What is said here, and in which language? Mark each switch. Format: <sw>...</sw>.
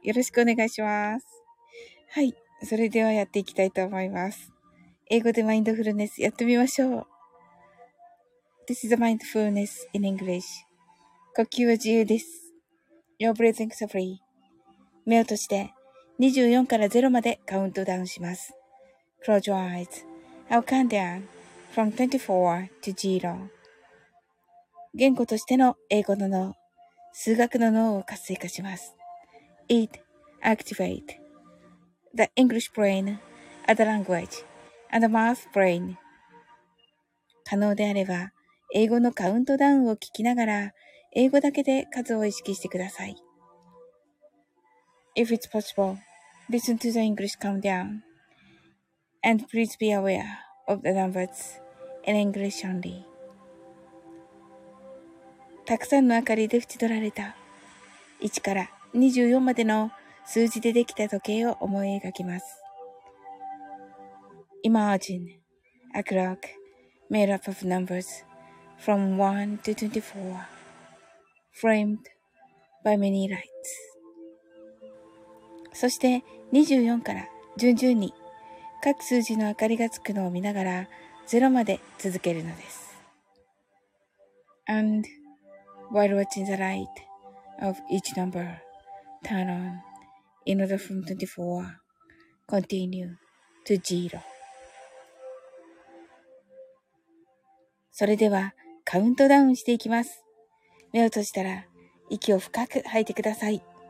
<ja>よろしくお願いします。はい。それではやっていきたいと思います。英語でマインドフルネスやってみましょう。</ja> <en>This is a mindfulness in English.</en> <ja>呼吸は自由です。</ja> <en>Your breathing is free.</en> <ja>目を閉じて24から0までカウントダウンします。</ja> <en>Close your eyes.I'll count down from 24 to 0.</en> <ja>言語としての英語の脳、数学の脳を活性化します。</ja> <en>It activates the English brain as the language and the math brain.</en> <ja>可能であれば、英語のカウントダウンを聞きながら、英語だけで数を意識してください。</ja> <en>If it's possible, listen to the English countdown. And please be aware of the numbers in English only.</en> <ja>たくさんの明かりで縁取られた、1から24までの数字でできた時計を思い描きます。</ja> <en>Imagine a clock made up of numbers. From 1 to 24, framed by many lights.</en> <ja>そして24から順々に各数字の明かりがつくのを見ながら0まで続けるのです。</ja> <en>And while watching the light of each number turn on in order from 24, continue to 0.</en> <ja>それではカウントダウンしていきます。目を閉じたら息を深く吐いてください。</ja>